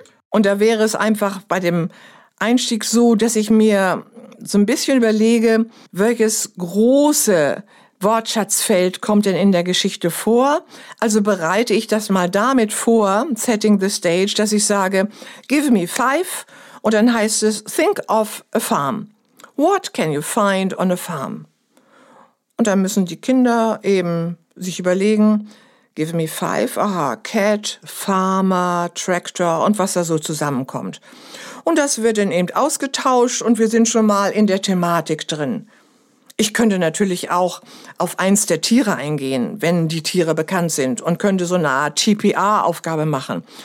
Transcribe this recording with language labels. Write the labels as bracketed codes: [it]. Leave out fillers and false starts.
[de] Und da wäre es einfach bei dem Einstieg so, dass ich mir so ein bisschen überlege, welches große Wortschatzfeld kommt denn in der Geschichte vor? Also bereite ich das mal damit vor, [en] setting the stage, [de] dass ich sage, [en] give me five [de] und dann heißt es, [en] think of a farm. What can you find on a farm? [de] Und dann müssen die Kinder eben sich überlegen, [en] give me five, [de] aha, [en] cat, farmer, tractor [de] und was da so zusammenkommt. Und das wird dann eben ausgetauscht und wir sind schon mal in der Thematik drin. Ich könnte natürlich auch auf eins der Tiere eingehen, wenn die Tiere bekannt sind und könnte so eine Art TPA-Aufgabe machen.